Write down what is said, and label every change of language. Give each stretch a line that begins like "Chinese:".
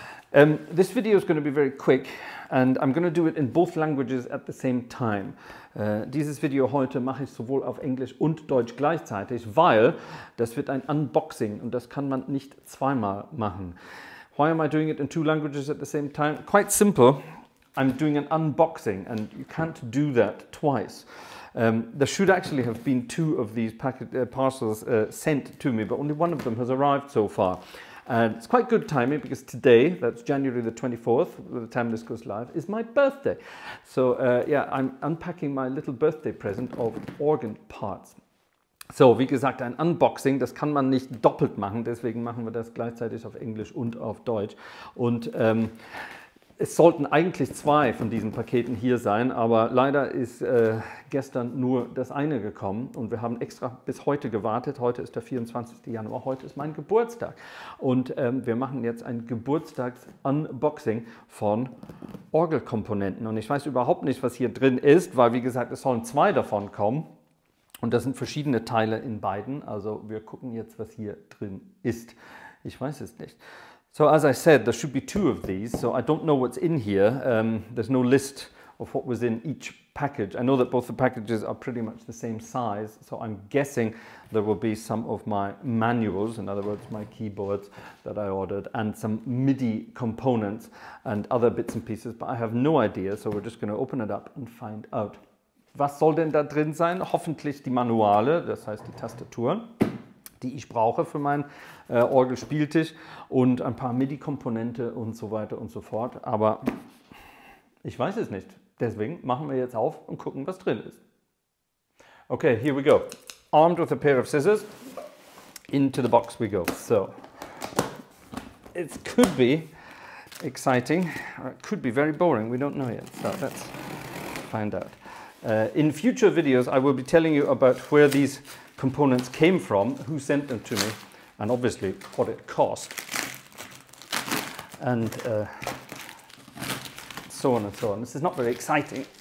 English: This video is going to be very quick and I'm going to do it in both languages at the same time.
German: Dieses Video heute mache ich sowohl auf Englisch und Deutsch gleichzeitig, weil das wird ein Unboxing und das kann man nicht zweimal machen.
English: Why am I doing it in two languages at the same time? Quite simple. I'm doing an unboxing and you can't do that twice. There should actually have been two of these parcels sent to me, but only one of them has arrived so far. And it's quite good timing because today, that's January the 24th, the time this goes live, is my birthday. So yeah, I'm unpacking my little birthday present of organ parts.
German: So, wie gesagt, ein Unboxing, das kann man nicht doppelt machen, deswegen machen wir das gleichzeitig auf Englisch und auf Deutsch. Und es sollten eigentlich zwei von diesen Paketen hier sein, aber leider ist gestern nur das eine gekommen und wir haben extra bis heute gewartet. Heute ist der 24. Januar, heute ist mein Geburtstag und wir machen jetzt ein Geburtstags-Unboxing von Orgelkomponenten. Und ich weiß überhaupt nicht, was hier drin ist, weil wie gesagt, es sollen zwei davon kommen und da sind verschiedene Teile in beiden. Also wir gucken jetzt, was hier drin ist. Ich weiß es nicht.
English: So as I said, there should be two of these, so I don't know what's in here. There's no list of what was in each package. I know that both the packages are pretty much the same size, so I'm guessing there will be some of my manuals, in other words, my keyboards that I ordered, and some MIDI components and other bits and pieces, but I have no idea, so we're just going to open it up and find out.
German: Was soll denn da drin sein? Hoffentlich die Manuale, das heißt die Tastaturen, die ich brauche für meinen Orgelspieltisch und ein paar MIDI-Komponente und so weiter und so fort. Aber ich weiß es nicht. Deswegen machen wir jetzt auf und gucken, was drin ist.
English: Okay, here we go. Armed with a pair of scissors, into the box we go. So, it could be exciting, or it could be very boring. We don't know yet. So, let's find out. In future videos, I will be telling you about where these components came from, who sent them to me, and obviously what it cost, and so on and so on. This is not very exciting.